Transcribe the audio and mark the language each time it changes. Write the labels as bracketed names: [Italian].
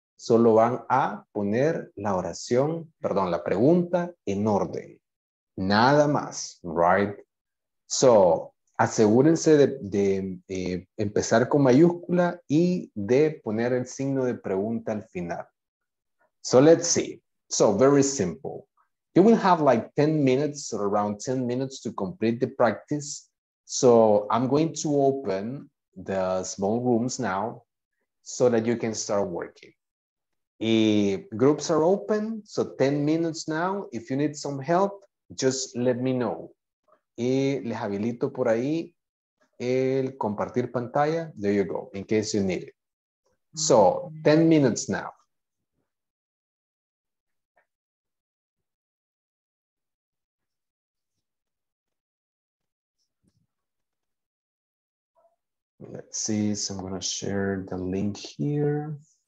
[Spanish] Solo van a poner la oración, perdón, la pregunta en orden. Nada más, right? So asegúrense de empezar con mayúscula y de poner el signo de pregunta al final. [English] So let's see. So very simple. You will have like 10 minutes or around 10 minutes to complete the practice. So I'm going to open the small rooms now so that you can start working. Groups are open, so 10 minutes now. If you need some help, just let me know. [Spanish] Y les habilito por ahí el compartir pantalla. [English] There you go, in case you need it. So, 10 minutes now. Let's see, so I'm gonna share the link here.